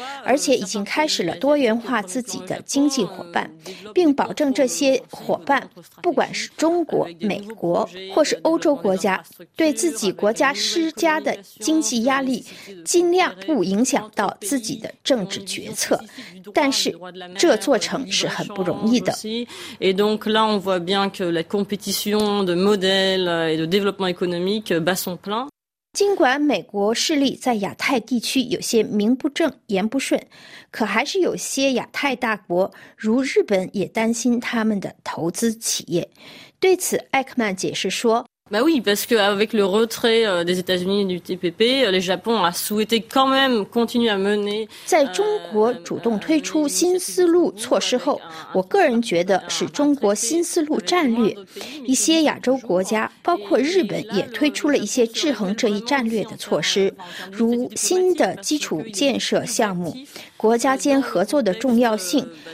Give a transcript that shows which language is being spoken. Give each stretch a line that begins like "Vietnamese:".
Chinese: 而且已经开始了多元化自己的经济伙伴，并保证这些伙伴不管是中国美国或是欧洲国家对自己国家施加的经济压力尽量不影响到自己的政治决策，但是这做成是很不容易的。
French: Et donc là on voit bien que la compétition de modèles et de développement économique bat son plein。
Chinese: 尽管美国势力在亚太地区有些名不正言不顺，可还是有些亚太大国如日本也担心他们的投资企业。对此艾克曼解释说，
French: Bah oui, parce que avec le retrait des États-Unis du TPP, le Japon a souhaité quand même continuer à mener.
Chinese: 在中国主动推出新思路措施后，我个人觉得是中国新思路战略。一些亚洲国家，包括日本，也推出了一些制衡这一战略的措施，如新的基础建设项目、国家间合作的重要性。